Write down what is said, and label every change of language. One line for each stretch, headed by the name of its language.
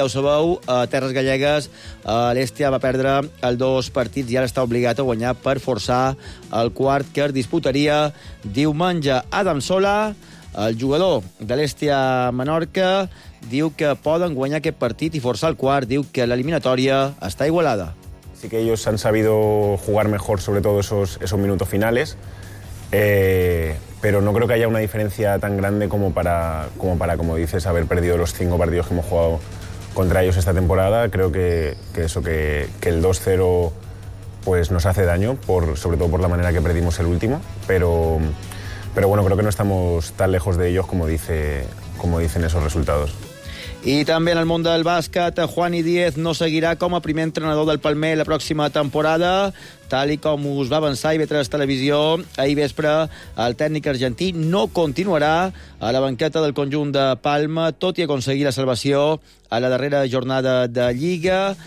Catalan: Ja ho sabeu, a Terres Gallegues l'Estia va perdre els dos partits i ara està obligat a guanyar per forçar el quart que es disputaria diumenge. Adam Sola, el jugador de l'Estia Menorca, diu que poden guanyar aquest partit i forçar el quart. Diu que l'eliminatòria està igualada.
Spanish: Sí que ellos han sabido jugar mejor, sobre todo esos minutos finales, pero no creo que haya una diferencia tan grande como para, como dices, haber perdido los cinco partidos que hemos jugado contra ellos esta temporada. Creo que el 2-0 pues nos hace daño, sobre todo por la manera que perdimos el último, pero bueno, creo que no estamos tan lejos de ellos como dicen esos resultados.
Catalan: I també en el món del bàsquet, Juani Díez no seguirà com a primer entrenador del Palmer la pròxima temporada. Tal i com us va avançar IB3 Televisió ahir vespre, el tècnic argentí no continuarà a la banqueta del conjunt de Palma, tot i aconseguir la salvació a la darrera jornada de Lliga.